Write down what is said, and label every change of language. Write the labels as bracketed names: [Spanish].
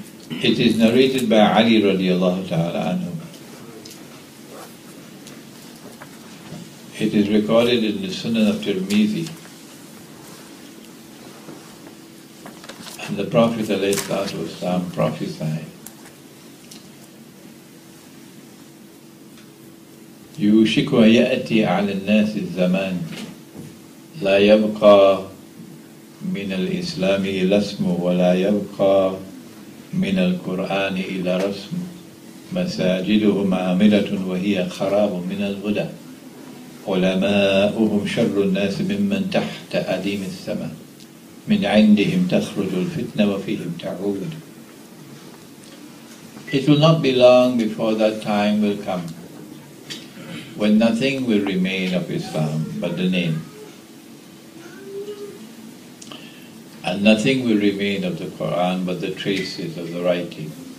[English] It is narrated by Ali radiallahu ta'ala anhu. It is recorded in the Sunan of Tirmidhi. And the Prophet alayhi salatu wasalam prophesied, [Arabic] يوشك ويأتي على الناس الزمان لا يبقى من الإسلام إلى اسمه ولا يبقى من القرآن إلى رسم مساجدهم عاملة وهي خراب من الهدى علماؤهم شر الناس ممن تحت أديم السماء من عندهم تخرج الفتنة وفيهم تعود. [English] It will not be long before that time will come when nothing will remain of Islam but the name, and nothing will remain of the Quran but the traces of the writing.